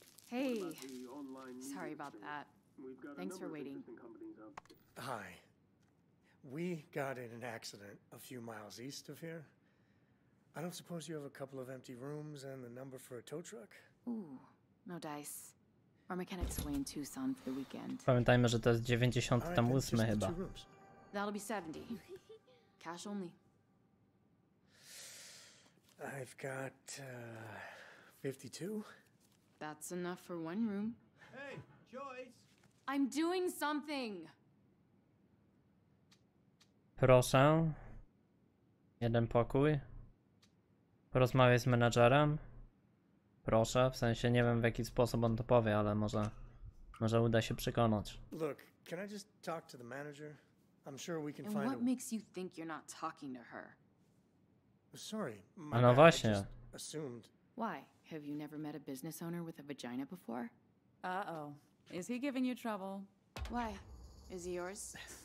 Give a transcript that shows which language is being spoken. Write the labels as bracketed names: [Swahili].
[English] Hey. Sorry about that. Thanks for waiting. Hi. We got in an accident a few miles east of here. I don't suppose you have a couple of empty rooms and the number for a tow truck? Ooh, no dice. Our mechanic's away in Tucson for the weekend. [Polish] Pamiętajmy, że to jest 98 chyba. [English] That'll be 70. Cash only. I've got 52. That's enough for one room. Hey, Joyce! I'm doing something! [Polish] Proszę. Jeden pokój. Porozmawiaj z menadżerem. Proszę, w sensie nie wiem w jaki sposób on to powie, ale może uda się przekonać. [English] Look, can I just talk to the manager? I'm sure we can and find what makes you think you're not talking to her? Sorry. My [Polish] a no właśnie. [English] Assumed. Why? Have you never met a business owner with a vagina before? Uh-oh. Is he giving you trouble? Why? Is he yours?